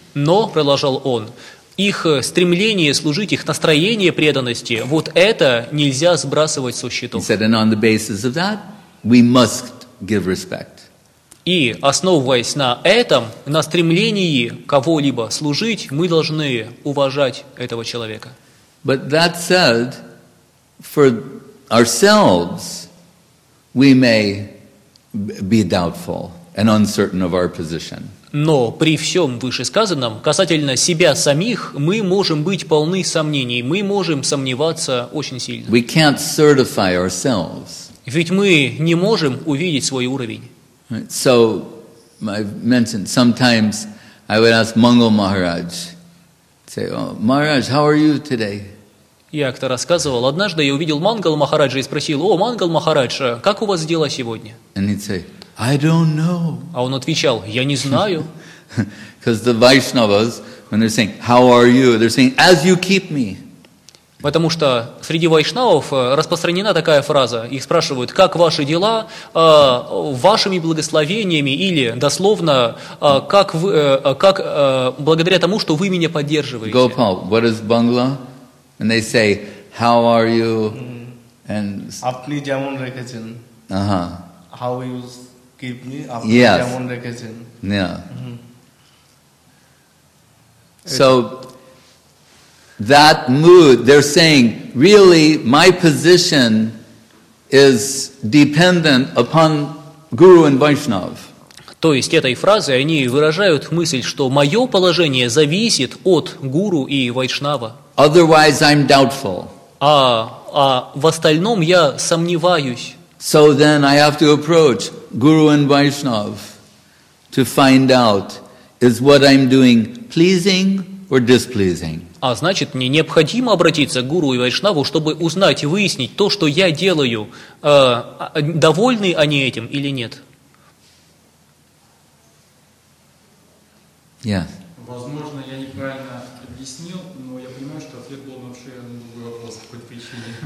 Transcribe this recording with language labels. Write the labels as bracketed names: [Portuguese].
[Russian] Но, продолжал он, их стремление служить, их настроение преданности, вот это нельзя сбрасывать со счетов. [English] He said, and on the basis of that, we must give respect. [Russian] И основываясь на этом, на стремлении кого-либо служить, мы должны уважать этого человека. [English] But that said, for ourselves, we may be doubtful and uncertain of our position. [Russian] Но при всем вышесказанном, касательно себя самих, мы можем быть полны сомнений, мы можем сомневаться очень сильно. [English] We can't certify ourselves. [Russian] Ведь мы не можем увидеть свой уровень. [English] So, I've mentioned, sometimes I would ask Mangal Maharaj, say, oh, Maharaj, how are you today? [Russian] Я как-то рассказывал, однажды я увидел Мангала Махараджа и спросил: «О, Мангал Махараджа, как у вас дела сегодня?» [English] And he'd say, I don't know. [Russian] А он отвечал: «Я не знаю». [English] Because the Vaishnavas, when they're saying, how are you, they're saying, as you keep me. [Russian] Потому что среди вайшнавов распространена такая фраза. Их спрашивают, как ваши дела, вашими благословениями, или дословно, как благодаря тому, что вы меня поддерживаете. [English] Gopal, what is bangla? And they say, how are you? [Bangla] Apni jemon rekhechen. [English] How you keep me? [Bangla] Apni jemon rekhechen. [English] Yeah. So that mood, they're saying, really, my position is dependent upon Guru and Vaishnav. [Russian] То есть этой фразой они выражают мысль, что мое положение зависит от Гуру и Вайшнава. [English] Otherwise, I'm doubtful. [Russian] А в остальном я сомневаюсь. [English] So then I have to approach Guru and Vaishnav to find out, is what I'm doing pleasing or displeasing? [Russian] А значит, мне необходимо обратиться к Гуру и Вайшнаву, чтобы узнать и выяснить то, что я делаю, довольны они этим или нет. [English] Yes. [Russian] Возможно, я неправильно объяснил, но я понимаю, что ответ был вообще на другой вопрос по какой-то причине.